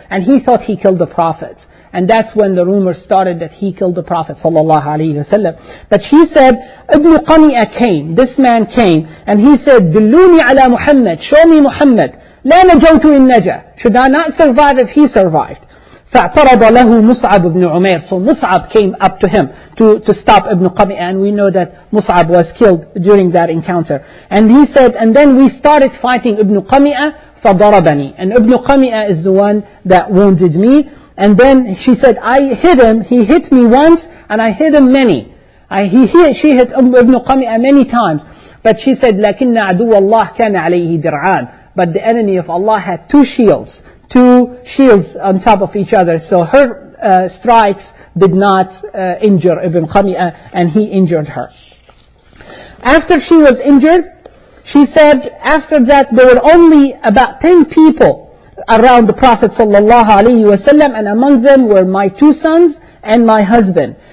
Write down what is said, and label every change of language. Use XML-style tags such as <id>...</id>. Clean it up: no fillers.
<en>And he thought he killed the Prophet. And that's when the rumor started that he killed the Prophet sallallahu alayhi wa sallam. But she said, Ibn Qami'a came. This man came. And he said,</en> <ar>Dulluni ala Muhammad.</ar> <en>Show me Muhammad.</en> <ar>La najawtu in naja.</ar> <en>Should I not survive if he survived?</en> <ar>فَاَعْتَرَضَ لَهُ مُصْعَبْ ibn Umair.</ar> <en>So Mus'ab came up to him to stop Ibn Qami'a. And we know that Mus'ab was killed during that encounter. And he said, and then we started fighting Ibn Qami'a,</en> <ar>فَضَرَبَنِي.</ar> <en>And Ibn Qami'a is the one that wounded me. And then she said, I hit him, he hit me once, and I hit him many. She hit Ibn Qami'a many times. But she said,</en> <ar>لَكِنَّ عَدُوَ اللَّهِ كَانَ عَلَيْهِ دِرْعَانٍ.</ar> <en>But the enemy of Allah had two shields on top of each other. So her strikes did not injure Ibn Qamia, and he injured her. After she was injured, she said, after that there were only about 10 people around the Prophet sallallahu alaihi wasallam, and among them were my two sons and my husband.</en>